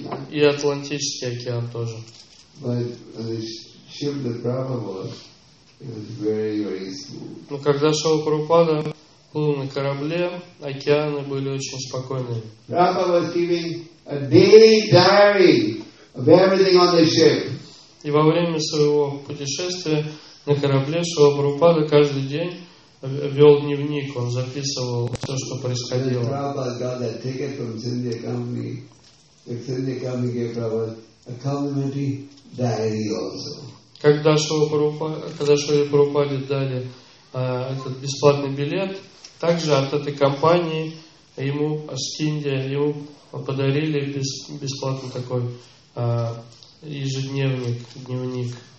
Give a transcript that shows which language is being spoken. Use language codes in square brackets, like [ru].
[ru] И Атлантический океан тоже. [en] But when the ship the Prabhupada was, it was very, very smooth. [ru] Но когда Шрила Прабхупада плыл на корабле, океаны были очень спокойными. [en] Prabhupada was giving a daily diary of everything on the ship. [ru] И во время своего путешествия на корабле Шрила Прабхупада каждый день вел дневник, он записывал все, что происходило. [en] Prabhupada got that ticket from Sindhya Company. The Sindhya Company gave Prabhupada a complimentary diary also. [ru] Когда Шрила Прабхупаде дали этот бесплатный билет, также от этой компании ему с Индии ему подарили бесплатно такой ежедневник, дневник.